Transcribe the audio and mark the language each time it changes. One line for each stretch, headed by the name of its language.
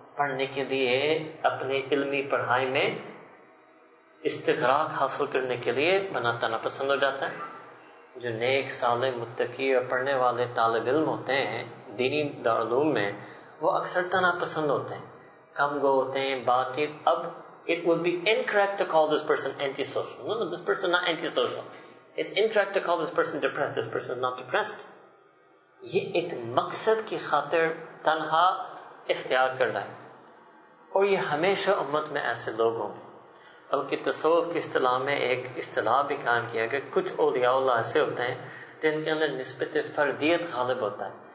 Urdu: پڑھنے کے لیے، اپنے علمی پڑھائی میں استغراق حاصل کرنے کے لیے بناتا نہ پسند ہو جاتا ہے. جو نیک صالح متقی اور پڑھنے والے طالب علم ہوتے ہیں دینی دارالعلوم میں، وہ اکثر تنہا پسند ہوتے ہیں، کم گو ہوتے ہیں، بات چیت.
English: اب it would be incorrect to call this person antisocial. No, this person not antisocial. It's incorrect to call this person depressed. This person not depressed.
Urdu: یہ ایک مقصد کی خاطر تنہا اختیار کر رہا ہے، اور یہ ہمیشہ امت میں ایسے لوگ ہوں گے. بلکہ تصوف کی اصطلاح میں ایک اصطلاح بھی قائم کیا کہ کچھ اولیاء اللہ ایسے ہوتے ہیں جن کے اندر نسبت فردیت غالب ہوتا ہے.